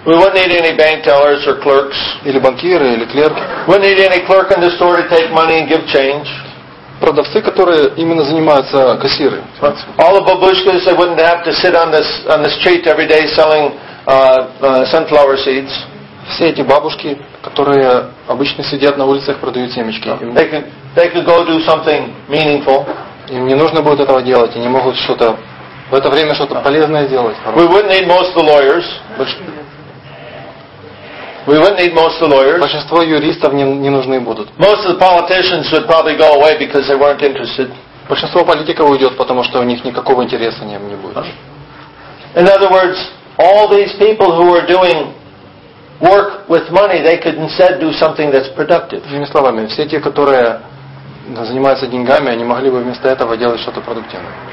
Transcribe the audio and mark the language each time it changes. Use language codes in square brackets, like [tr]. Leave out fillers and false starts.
[en] We wouldn't need any bank tellers or clerks. [ru] Или банкиры, или клерки. [en] We wouldn't need any clerk in the store to take money and give change. [ru] Продавцы, которые именно занимаются кассиры. [en] All the babushkas, they wouldn't have to sit on the street every day selling sunflower seeds. [ru] Все эти бабушки, которые обычно сидят на улицах, продают семечки. [en] They could go do something meaningful. [ru] Им не нужно будет этого делать, они могут что-то в это время что-то полезное сделать. [en] We wouldn't need most of the lawyers. We wouldn't need most of the lawyers. [ru] Большинство юристов не нужны будут. [en] Most of the politicians would probably go away because they weren't interested. [ru] Большинство политиков уйдет, потому что у них никакого интереса не будет. [en] In other words, all these people who are doing work with money, they could instead do something that's productive. [ru] Другими словами, все те, которые занимаются деньгами, они могли бы вместо этого делать что-то продуктивное.